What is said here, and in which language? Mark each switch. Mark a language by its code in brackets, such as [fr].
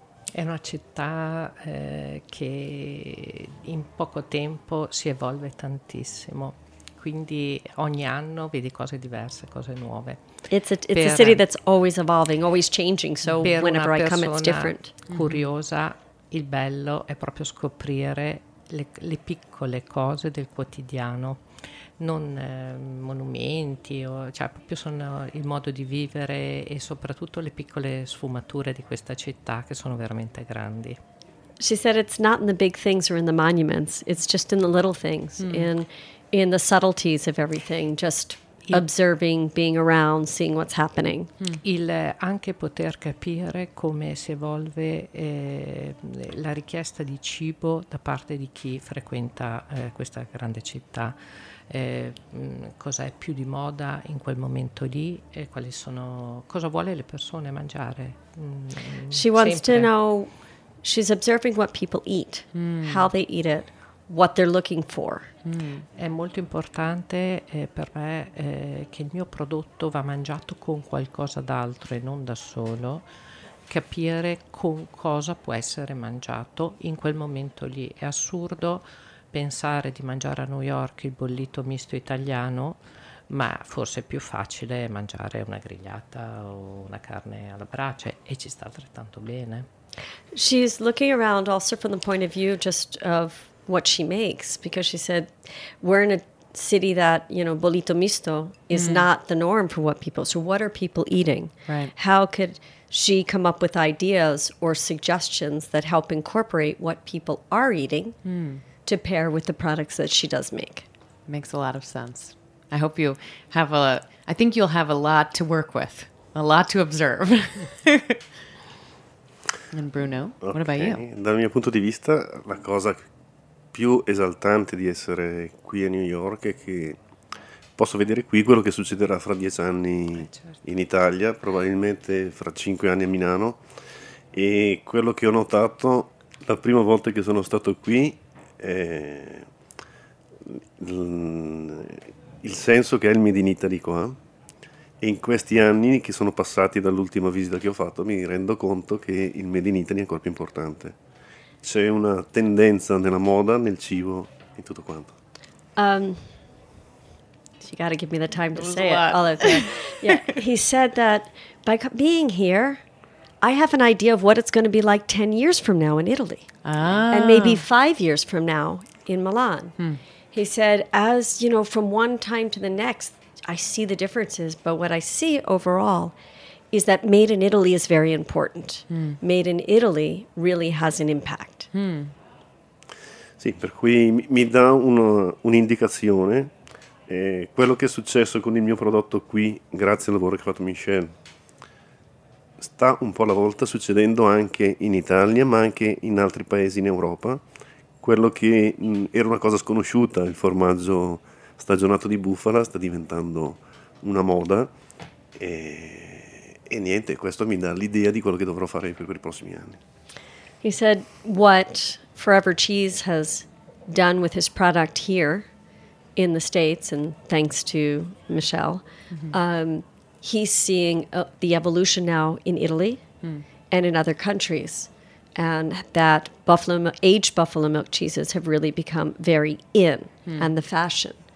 [it] È una città che in poco tempo si evolve tantissimo, quindi ogni anno vedi cose diverse, cose nuove. [en] It's a city that's always evolving, always changing, so whenever I come it's different. [it] Curiosa. Il bello è proprio scoprire le piccole cose del quotidiano, non monumenti, cioè proprio sono il modo di vivere e soprattutto le piccole sfumature di questa città che sono veramente grandi. [en] She said it's not in the big things or in the monuments, it's just in the little things, in the subtleties of everything, just observing, being around, seeing what's happening. Mm. [it] Il anche poter capire come si evolve la richiesta di cibo da parte di chi frequenta questa grande città. Cos'è più di moda in quel momento lì? Cosa vuole le persone mangiare? [en] She wants to know. She's observing what people eat, how they eat it, what they're looking for. [it] È molto importante per me che il mio prodotto va mangiato con qualcosa d'altro e non da solo, capire con cosa può essere mangiato in quel momento lì. È assurdo pensare di mangiare a New York il bollito misto italiano, ma forse è più facile mangiare una grigliata o una carne alla brace e ci sta altrettanto bene. [en] She's looking around also from the point of view just of what she makes, because she said we're in a city that, you know, bolito misto is not the norm for what people, so what are people eating? Right. How could she come up with ideas or suggestions that help incorporate what people are eating to pair with the products that she does make. Makes a lot of sense. I hope you have a, I think you'll have a lot to work with, a lot to observe. And Bruno, okay. What about you? [it] Dal mio punto di vista, la cosa più esaltante di essere qui a New York è che posso vedere qui quello che succederà fra 10 anni in Italia, probabilmente fra 5 anni a Milano. E quello che ho notato la prima volta che sono stato qui è il senso che è il Made in Italy qua. E in questi anni che sono passati dall'ultima visita che ho fatto mi rendo conto che il Made in Italy è ancora più importante. C'è una tendenza nella moda, nel cibo e tutto quanto. [en] You gotta give me the time to say it. All of that. Yeah. He said that by being here, I have an idea of what it's going to be like 10 years from now in Italy. Ah. And maybe 5 years from now in Milan. Hmm. He said, as you know, from one time to the next, I see the differences. But what I see overall is that made in Italy is very important. Hmm. Made in Italy really has an impact. [it] Hmm. Sì, per cui mi dà un'indicazione. Quello che è successo con il mio prodotto qui, grazie al lavoro che ha fatto Michel, sta un po' alla volta succedendo anche in Italia, ma anche in altri paesi in Europa. Quello che era una cosa sconosciuta, il formaggio stagionato di bufala, sta diventando una moda. E niente, questo mi dà l'idea di quello che dovrò fare per i prossimi anni. [en] He said what Forever Cheese has done with his product here in the States, and thanks to Michelle, mm-hmm. He's seeing the evolution now in Italy and in other countries, and that aged buffalo milk cheeses have really become very in and the fashion,